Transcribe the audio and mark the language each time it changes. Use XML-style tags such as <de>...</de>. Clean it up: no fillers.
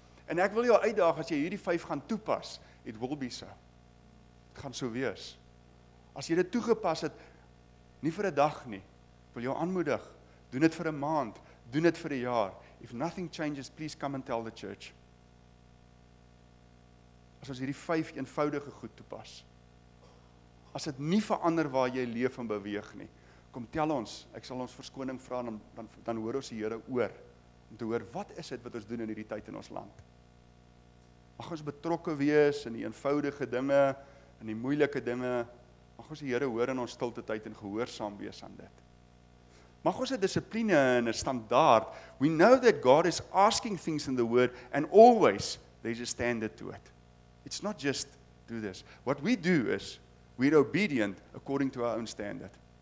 <af>En ek wil jou uitdaag, as jy hierdie 5 gaan toepas,</af> <en>it will be so.</en> <af>Het gaan so wees. As jy dit toegepas het, nie vir 'n dag nie, ek wil jou aanmoedig, doen dit vir 'n maand, doen dit vir 'n jaar.</af> <en>If nothing changes, please come and tell the church.</en> <af>As ons hierdie 5 eenvoudige goed toepas, as dit nie verander waar jy leef en beweeg nie, kom tel ons, ek sal ons verskoning vra, dan hoor ons die Here oor, om te hoor, wat is dit wat ons doen in hierdie tyd in ons land? Mag ons betrokke wees in die eenvoudige dinge, in die moeilike dinge, mag ons die Here hoor in ons stilte tyd en gehoorsaam wees aan dit. Mag ons 'n dissipline en 'n standaard,</af> <en>we know that God is asking things in the word, and always there's a standard to it. It's not just do this. What we do is, we're obedient according to our own standard.</en>